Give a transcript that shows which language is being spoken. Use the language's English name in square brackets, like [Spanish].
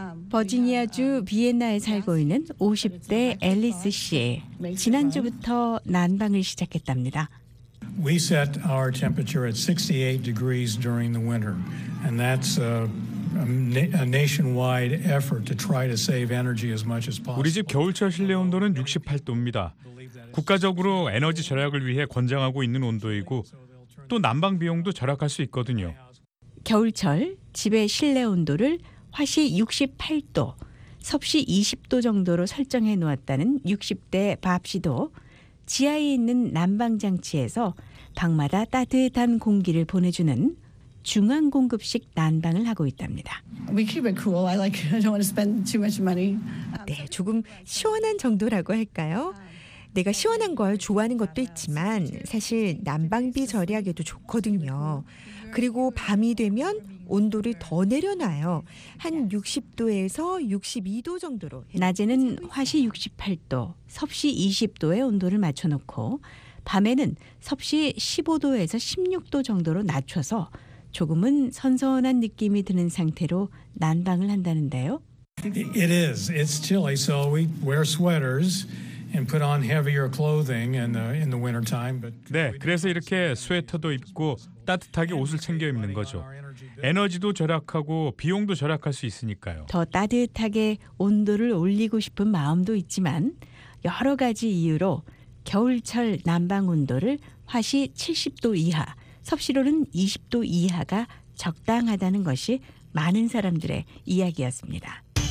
[Korean] 버지니아주 비엔나에 살고 있는 50대 앨리스 씨. 지난주부터 난방을 시작했답니다. [English] We set our temperature at 68 degrees during the winter, and that's a nationwide effort to try to save energy as much as possible. [Korean] 우리 집 겨울철 실내 온도는 68도입니다. 국가적으로 에너지 절약을 위해 권장하고 있는 온도이고 또 난방 비용도 절약할 수 있거든요. 겨울철 집의 실내 온도를 화씨 68도, 섭씨 20도 정도로 설정해 놓았다는 60대 밥 씨도 지하에 있는 난방 장치에서 방마다 따뜻한 공기를 보내주는 중앙 공급식 난방을 하고 있답니다. [English] We keep it cool. I like. I don't want to spend too much money. [Korean] 네, 조금 시원한 정도라고 할까요? 내가 시원한 걸 좋아하는 것도 있지만 사실 난방비 절약에도 좋거든요. 그리고 밤이 되면 온도를 더 내려놔요. 한 60도에서 62도 정도로. 낮에는 화씨 68도, 섭씨 20도의 온도를 맞춰놓고 밤에는 섭씨 15도에서 16도 정도로 낮춰서 조금은 선선한 느낌이 드는 상태로 난방을 한다는데요. [English] It is. It's chilly, so we wear sweaters. And put on heavier clothing in the winter time. [Korean] 네, 그래서 이렇게 스웨터도 입고 따뜻하게 옷을 챙겨 입는 거죠. 에너지도 절약하고 비용도 절약할 수 있으니까요. 더 따뜻하게 온도를 올리고 싶은 마음도 있지만 여러 가지 이유로 겨울철 난방 온도를 화씨 70도 이하, 섭씨로는 20도 이하가 적당하다는 것이 많은 사람들의 이야기였습니다.